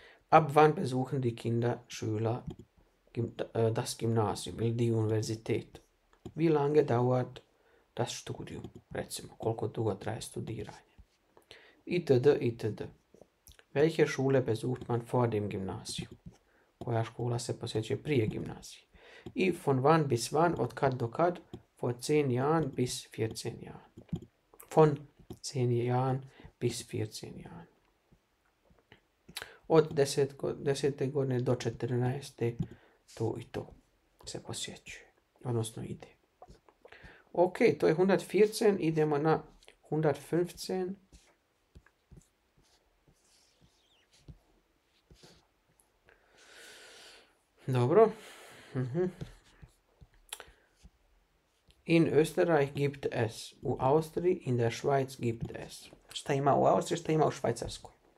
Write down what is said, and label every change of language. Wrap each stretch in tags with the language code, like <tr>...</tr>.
<de>Ab wann besuchen die Kinder, Schüler, das Gymnasium ili die Universität? Wie lange dauert das Studium?</de> <bs>Recimo, koliko dugo traje studiranje? Itd. itd.</bs> <de>Welche Schule besucht man vor dem Gymnasium?</de> <bs>Koja škola se posjećuje prije gimnazije? I</bs> <de>von wann bis wann,</de> <bs>od kad do kad?</bs> <de>Vor 10 Jahren bis 14 Jahren. Von 10 Jahren bis 14 Jahren.</de> <bs>Od 10. godine do 14. to i to se posjećuje. Odnosno ide. Ok, to je 114. Idemo na 115. Dobro.</bs> <de>In Österreich gibt es,</de> <bs>u Austriji,</bs> <de>in der Schweiz gibt es.</de> <bs>Šta ima u Austriji, šta ima u Švajcarskoj?</bs>